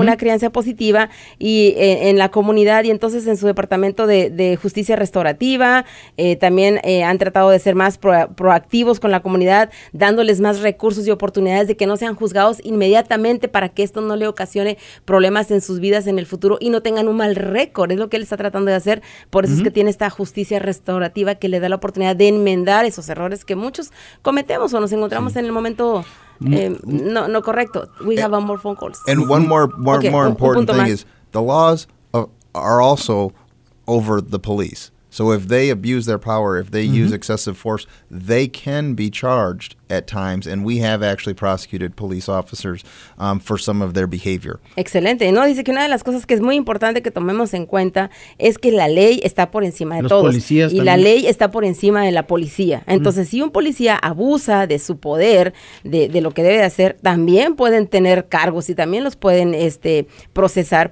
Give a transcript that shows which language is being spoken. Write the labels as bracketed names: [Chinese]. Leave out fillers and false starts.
[Spanish] Una crianza positiva y en la comunidad y entonces en su departamento de justicia restaurativa también han tratado de ser más proactivos con la comunidad, dándoles más recursos y oportunidades de que no sean juzgados inmediatamente para que esto no le ocasione problemas en sus vidas en el futuro y no tengan un mal récord. Es lo que él está tratando de hacer, por eso es que tiene esta justicia restaurativa que le da la oportunidad de enmendar esos errores que muchos cometemos o nos encontramos en el momento... no, correcto. [English] We have more phone calls. And one more important thing is the laws are also over the police. So if they abuse their power, if they use excessive force, they can be charged at times. And we have actually prosecuted police officers for some of their behavior. [Spanish] Excelente. No, dice que una de las cosas que es muy importante que tomemos en cuenta es que la ley está por encima de los todos. Policías y también. La ley está por encima de la policía. Entonces, si un policía abusa de su poder, de lo que debe de hacer, también pueden tener cargos y también los pueden procesar.